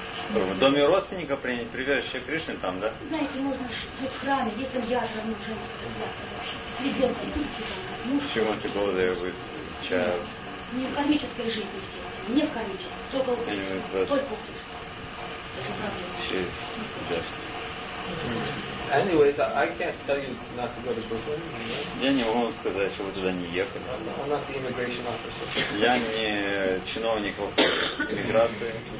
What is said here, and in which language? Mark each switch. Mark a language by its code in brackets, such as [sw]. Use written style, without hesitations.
[ru] В доме родственника принять прибежище Кришны там, да? Знаете, можно в храме, есть там яшра внутренняя, с ребенком. [en] She wants to go there with child. [ru] Не в кармической жизни, не в кармической, только у Кришны, только у Кришны. [en] She's just... Anyways, I can't tell you not to go to Brooklyn. [ru] Я не могу вам сказать, что вы туда не ехали. [en] I'm not the immigration officer. [ru] Я не чиновник в иммиграции.